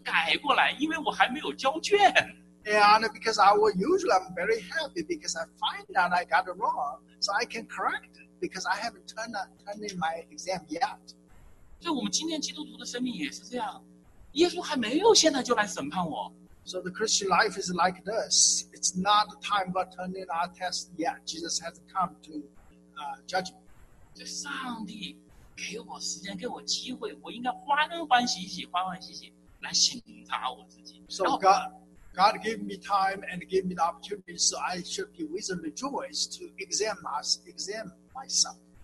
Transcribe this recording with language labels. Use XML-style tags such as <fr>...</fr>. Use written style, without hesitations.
<zh>我很高兴，哎呀，我发现了，我赶紧给他改过来，因为我还没有交卷。</zh> <en>And because I will usually I'm very happy because I find that I got it wrong, so I can correct it because I haven't turned in my exam yet.</en> <zh>所以我们今天基督徒的生命也是这样，耶稣还没有现在就来审判我。</zh> <en>So the Christian life is like this. It's not the time for turning our test yet. Jesus has come to judge me.</en> <zh>这上帝。给我时间，给我机会，我应该欢欢喜喜，欢欢喜喜来审查我自己。</zh> <en>So God gave me time and gave me the opportunity, so I should be with rejoice to examine myself.</en>